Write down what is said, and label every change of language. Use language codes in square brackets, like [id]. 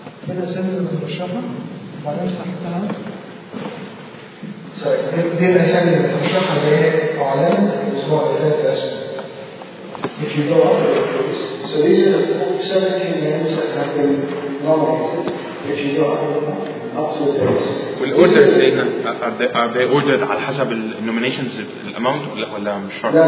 [ar] دي الأسامي اللي مترشحة؟ بعدين صحيحتها؟ دي الأسامي اللي مترشحة اللي أعلنت الأسبوع اللي فات بس. [en] If you go up there, please. So these are the 17 names that have been nominated. If you go up to the base. [ar] والأوردرز إيه هنا؟ [en] Are they ordered [ar] على حسب الـ nominations الأمونت ولا مش شرط؟